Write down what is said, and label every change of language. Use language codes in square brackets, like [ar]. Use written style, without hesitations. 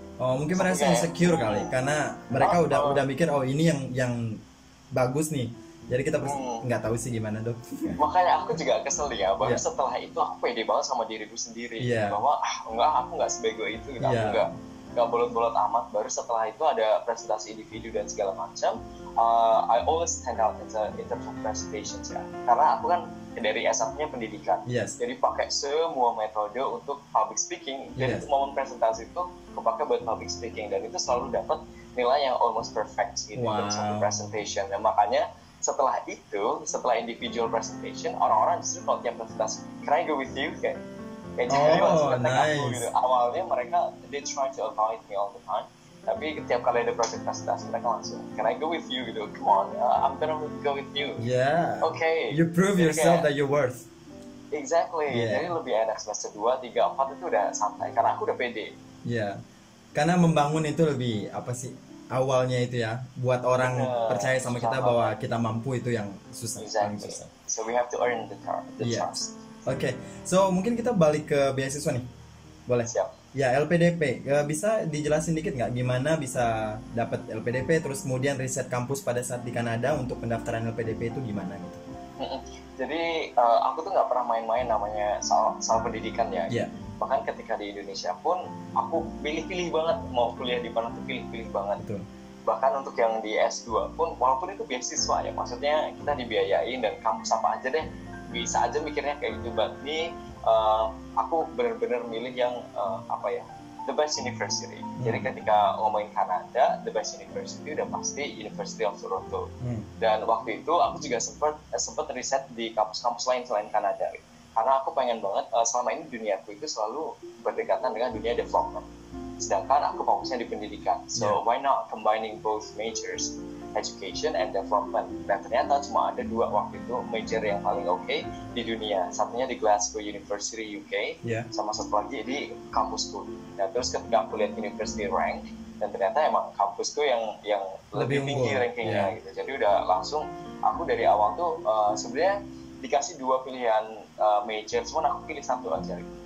[id] Oh mungkin mereka so, insecure kali karena mereka udah mikir oh ini yang bagus nih. Jadi kita nggak tahu sih gimana dok. Makanya aku juga kesel ya. Baru yeah. setelah itu aku pede banget sama diriku sendiri yeah. bahwa ah enggak aku nggak sebego itu. Gitu. Yeah. Aku nggak bolot-bolot amat. Baru setelah itu ada presentasi individu dan segala macam. [en] I always stand out in terms of presentations ya. [id] Karena aku kan dari asalnya pendidikan, yes. jadi pakai semua metode untuk public speaking. Jadi yes. momen presentasi itu kepake buat public speaking dan itu selalu dapat nilai yang [en] almost perfect [id] gitu wow. dalam satu presentation. Dan makanya setelah itu, setelah individual presentation, orang-orang justru kalau tiap presentasi, [en] can I go with you? [id] Kayak jadi oh, langsung nice. Aku, gitu. Awalnya mereka [en] they try to avoid me all the time, [id] tapi tiap kali ada project presentasi mereka langsung [en] can I go with you [id] gitu, [en] come on I'm gonna go with you yeah okay you prove yourself okay. that you're worth exactly yeah. [id] Jadi lebih enak semester 2, 3, 4 itu udah santai karena aku udah pede ya yeah. karena membangun itu lebih apa sih awalnya itu ya buat orang percaya sama kita bahwa kita mampu itu yang susah [en] exactly. [id] susah [en] so we have to earn the trust yeah. okay so [id] mungkin kita balik ke beasiswa nih boleh siap. Ya, LPDP. Bisa dijelasin dikit nggak gimana bisa dapat LPDP, terus kemudian riset kampus pada saat di Kanada untuk pendaftaran LPDP itu gimana gitu? Jadi, aku tuh nggak pernah main-main namanya soal pendidikan ya. Yeah. Bahkan ketika di Indonesia pun, aku pilih-pilih banget mau kuliah di mana tuh pilih-pilih banget. Betul. Bahkan untuk yang di S2 pun, walaupun itu beasiswa ya, maksudnya kita dibiayain dan kampus apa aja deh, bisa aja mikirnya kayak gitu, but nih, aku benar-benar milih yang apa ya [en] the best university. Hmm. [id] Jadi ketika ngomongin Kanada, [en] the best university [id] udah pasti University of Toronto. Hmm. Dan waktu itu aku juga sempat riset di kampus-kampus lain selain Kanada. Karena aku pengen banget selama ini duniaku itu selalu berdekatan dengan dunia development. Sedangkan aku fokusnya di pendidikan. So yeah. [en] why not combining both majors, education and development. [id] Dan ternyata cuma ada dua waktu itu major yang paling oke okay di dunia. Satunya di Glasgow University UK, yeah. sama satu lagi di kampusku. Dan terus ketika aku lihat university rank, dan ternyata emang kampusku yang lebih tinggi rankingnya gitu. Jadi udah langsung aku dari awal tuh sebenarnya dikasih dua pilihan major, cuma aku pilih satu aja.